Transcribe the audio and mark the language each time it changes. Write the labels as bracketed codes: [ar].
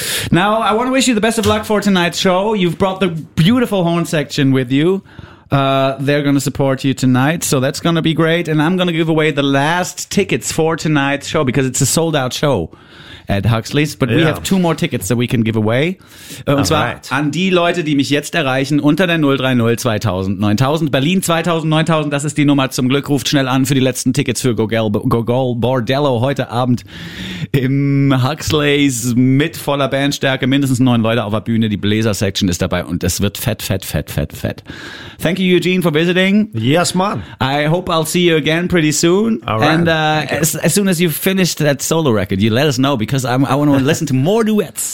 [en] Now, I want to wish you the best of luck for tonight's show. You've brought the beautiful horn section with you. They're going to support you tonight, so that's going to be great. And I'm going to give away the last tickets for tonight's show, because it's a sold-out show at Huxley's. But we have two more tickets that we can give away. [de] Und zwar an die Leute, die mich jetzt erreichen, unter der 030 2000 9000. Berlin 2000 9000, das ist die Nummer. Zum Glück ruft schnell an für die letzten Tickets für Gogol Bordello heute Abend im Huxley's mit voller Bandstärke. Mindestens 9 Leute auf der Bühne. Die Bläser-Section ist dabei und es wird fett, fett, fett, fett, fett. [en] Thank you, Eugene, for visiting. Yes, man. I hope I'll see you again pretty soon. All right. And as soon as you've finished that solo record, you let us know, because I want to listen to more duets.